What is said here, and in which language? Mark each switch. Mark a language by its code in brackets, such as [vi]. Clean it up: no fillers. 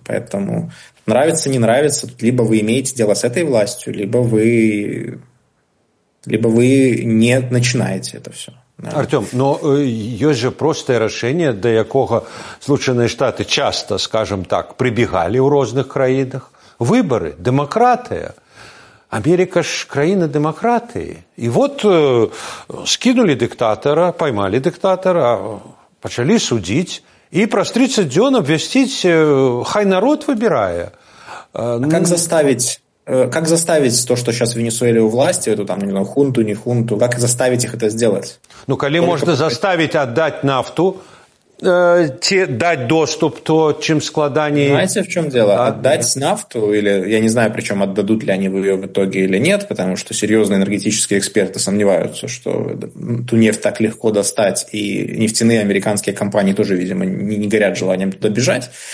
[ru] Поэтому нравится, не нравится, либо вы имеете дело с этой властью, либо вы не начинаете это все. Да. Артём, но есть же простое решение, до якого Соединенные Штаты часто, скажем так, прибегали в разных краинах. Выборы, демократия. [be] Америка ж краіна дэмакратыі. І вот скінулі дыктатара, паймалі дыктатара, пачалі судзіць і праз 30 дзён абвясціць, хай народ выбірае. [ru] Как заставить то, что сейчас в Венесуэле у власти, эту там, не знаю, хунту, не хунту, как заставить их это сделать? Ну, коли можно заставить отдать нафту, дать доступ, то чем складание... Знаете, в чем дело? Отдать нафту, или я не знаю, причем отдадут ли они ее в итоге или нет, потому что серьезные энергетические эксперты сомневаются, что ту нефть так легко достать, и нефтяные американские компании тоже, видимо, не горят желанием туда бежать.